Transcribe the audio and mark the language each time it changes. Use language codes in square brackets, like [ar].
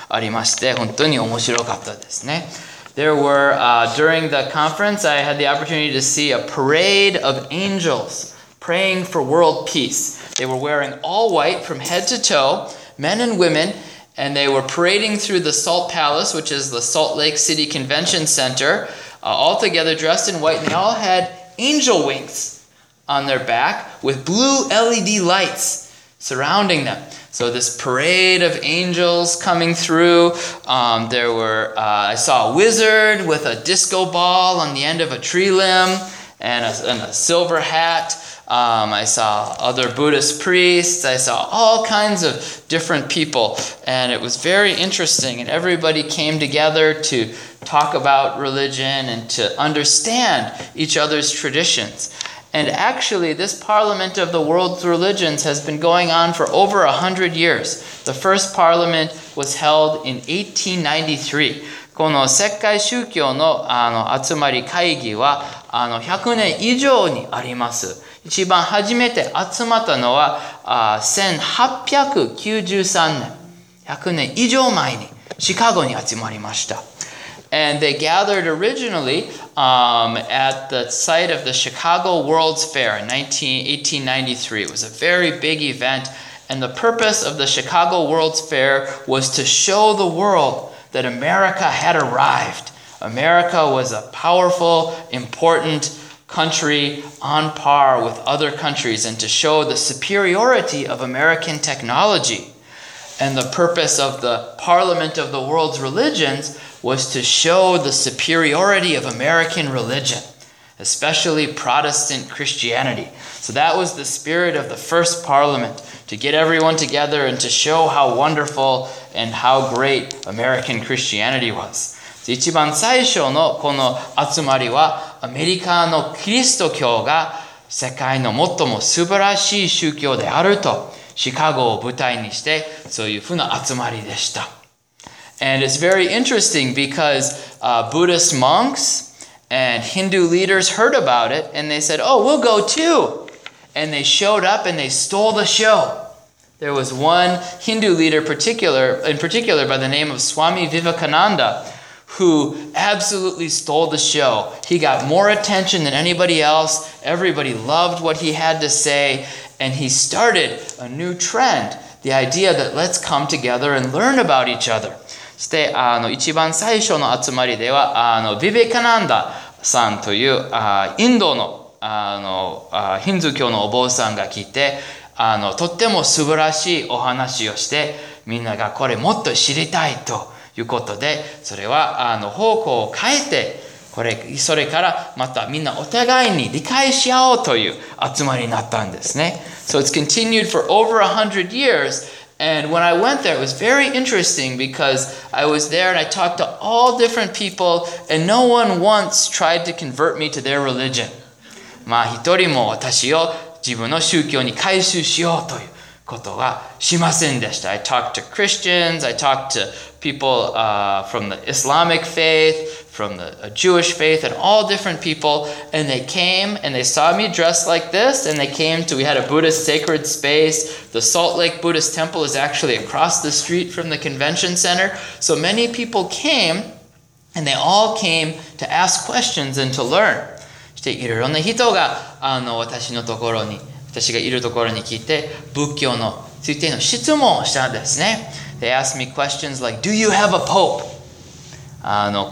[ja] ありまして本当に面白かったですね。 [en] There were, during the conference, I had the opportunity to see a parade of angels praying for world peace. They were wearing all white from head to toe, men and women, and they were parading through the Salt Palace, which is the Salt Lake City Convention Center, all together dressed in white, and they all had angel wings on their back with blue LED lights surrounding them. So this parade of angels coming through, there were, I saw a wizard with a disco ball on the end of a tree limb and a silver hat. I saw other Buddhist priests. I saw all kinds of different people. And it was very interesting. And everybody came together to talk about religion and to understand each other's traditions. And actually, this Parliament of the World's Religions has been going on for over 100 years. The first Parliament was held in 1893. [ja] この世界宗教の集まり会議は100年以上にあります。一番初めて集まったのは1893年、100年以上前にシカゴに集まりました。 [en] And they gathered originally at the site of the Chicago World's Fair in 1893. It was a very big event. And the purpose of the Chicago World's Fair was to show the world that America had arrived. America was a powerful, important country on par with other countries, and to show the superiority of American technology. And the purpose of the Parliament of the World's Religions was to show the superiority of American religion, especially Protestant Christianity. So that was the spirit of the first parliament, to get everyone together and to show how wonderful and how great American Christianity was. [ja] 一番最初のこの集まりはアメリカのキリスト教が世界の最も素晴らしい宗教であるとシカゴを舞台にしてそういうふうな集まりでした。 [en] And it's very interesting because Buddhist monks and Hindu leaders heard about it and they said, oh, we'll go too. And they showed up and they stole the show. There was one Hindu leader in particular by the name of Swami Vivekananda who absolutely stole the show. He got more attention than anybody else. Everybody loved what he had to say. And he started a new trend. The idea that let's come together and learn about each other. [ja] そして、一番最初の集まりでは、Vivekananda さんという、インドの、ヒンズー教のお坊さんが来て、とっても素晴らしいお話をして、みんながこれもっと知りたいと。いうことで、それは方向を変えて、それからまたみんなお互いに理解し合おうという集まりになったんですね。 [en] So it's continued for over 100 years, and when I went there, it was very interesting because I was there and I talked to all different people, and no one once tried to convert me to their religion. [ja] まあ一人も私を自分の宗教に改宗しようという。ことはしませんでした。 [en] I talked to Christians, I talked to people from the Islamic faith, from the Jewish faith, and all different people, and they came and they saw me dressed like this, and they came to, we had a Buddhist sacred space. The Salt Lake Buddhist Temple is actually across the street from the convention center. So many people came, and they all came to ask questions and to learn. [ja] していろいろな人が私のところに私がいるところに来て仏教のついての質問をしたんですね。 [en] They asked me questions like, "Do you have a pope?"